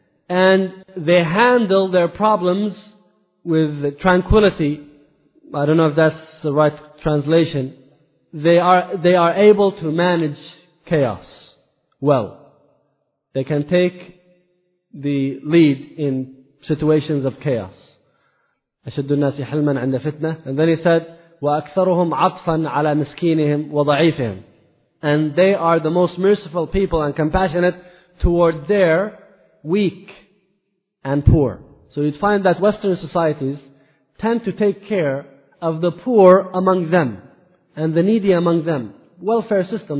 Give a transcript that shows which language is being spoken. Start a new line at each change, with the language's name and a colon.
English: And they handle their problems with tranquility. I don't know if that's the right translation. They are able to manage chaos well. They can take the lead in situations of chaos.
Arabic: أشد الناس حلما عند فتنة.
English: And then he said,
Arabic: وأكثرهم عطفا على مسكينهم وضعيفهم.
English: And they are the most merciful people and compassionate toward their weak and poor. So you'd find that Western societies tend to take care of the poor among them and the needy among them. Welfare system.